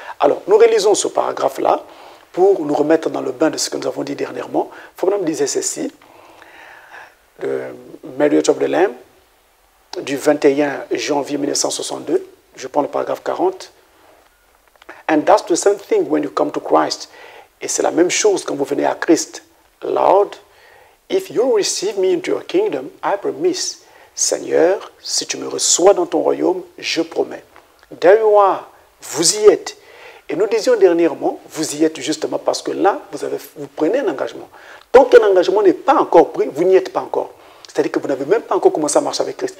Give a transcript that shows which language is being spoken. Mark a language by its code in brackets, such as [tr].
[fr] Alors, nous relisons ce paragraphe-là pour nous remettre dans le bain de ce que nous avons dit dernièrement. Fournam disait ceci, de Mary Chauvelin, du 21 janvier 1962, je prends le paragraphe 40, [en] and that's the same thing when you come to Christ. [fr] Et c'est la même chose quand vous venez à Christ. [en] Lord, if you receive me into your kingdom, I promise. [fr] Seigneur, si tu me reçois dans ton royaume, je promets. [en] There you are. [fr] Vous y êtes. Et nous disions dernièrement, vous y êtes justement parce que là, vous prenez un engagement. Tant qu'un engagement n'est pas encore pris, vous n'y êtes pas encore. C'est-à-dire que vous n'avez même pas encore commencé à marcher avec Christ.